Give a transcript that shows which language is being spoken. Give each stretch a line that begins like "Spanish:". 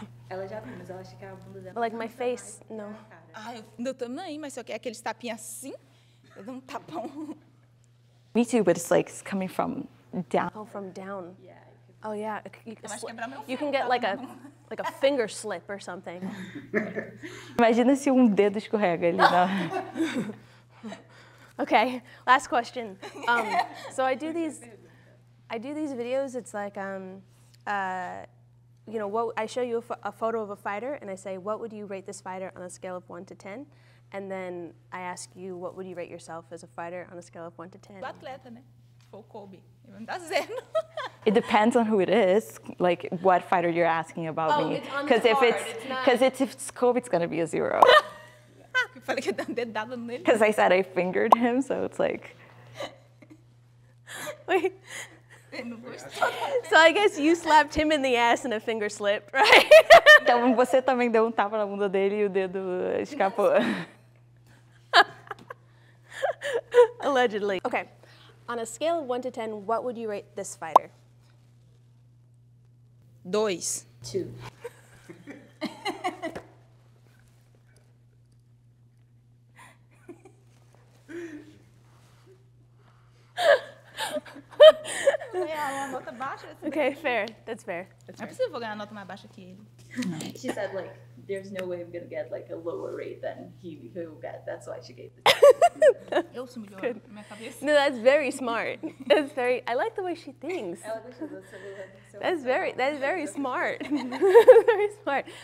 Portuguese: Ela já viu, mas ela acha que a bunda dela...
English: But like my face, no.
Portuguese: Ai, do tamanho, mas se eu quer aqueles tapinhas assim, eu dou um tapão.
English: Me too, but it's like, it's coming from down. Oh, from down. Yeah. Oh, yeah. You can get like a... Like a finger slip or something.
Portuguese: Imagina se dedo escorrega ali.
English: Okay, last question. So I do these videos. It's like, you know, what I show you a photo of a fighter, and I say, what would you rate this fighter on a scale of 1 to 10? And then I ask you, what would you rate yourself as a fighter on a scale of 1 to 10?
Portuguese: O atleta, né? O Colby. Não dá zero.
English: It depends on who it is, like what fighter you're asking about me. Because if it's Kobe, it's gonna be a zero. Because I said I fingered him, so it's like. Wait. So I guess you slapped him in the ass and a finger slipped, right?
Portuguese: Então você também deu tapa na bunda dele e o dedo escapou.
English: Allegedly. Okay. On a scale of 1 to 10, what would you rate this fighter? 2. 2. Okay, fair. That's fair. I possibly will get a
Portuguese: nota mais baixa que ele.
English: She said, like, there's no way I'm gonna get like a lower rate than he will get. That's why she gave the. No, that's very smart. That's very. I like the way she thinks. That's very smart. Very smart.